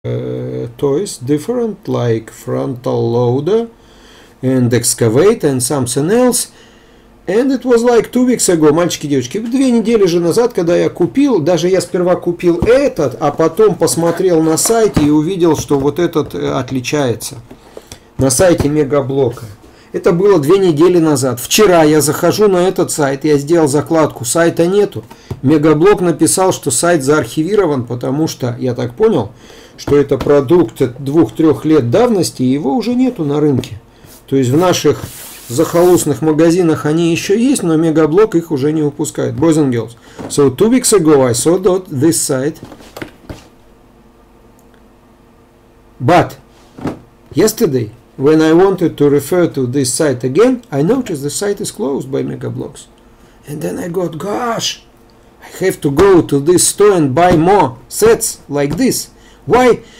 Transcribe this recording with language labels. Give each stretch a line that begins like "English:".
English: toys different, like frontal loader and excavator and something else. And it was like 2 weeks ago,
Russian: мальчики, девочки. 2 недели же назад, когда я купил, даже я сперва купил этот, а потом посмотрел на сайте и увидел, что вот этот отличается. На сайте Мегаблока. Это было 2 недели назад. Вчера я захожу на этот сайт, я сделал закладку, сайта нету. Мегаблок написал, что сайт заархивирован, потому что, я так понял, что это продукт 2-3 лет давности, и его уже нету на рынке. То есть в наших захолустных магазинах они еще есть, но Мегаблок их уже не выпускает.
English: Boys and girls, so 2 weeks ago I saw that this site. But yesterday, when I wanted to refer to this site again, I noticed the site is closed by Megablox. And then I got, gosh, I have to go to this store and buy more sets like this. Why?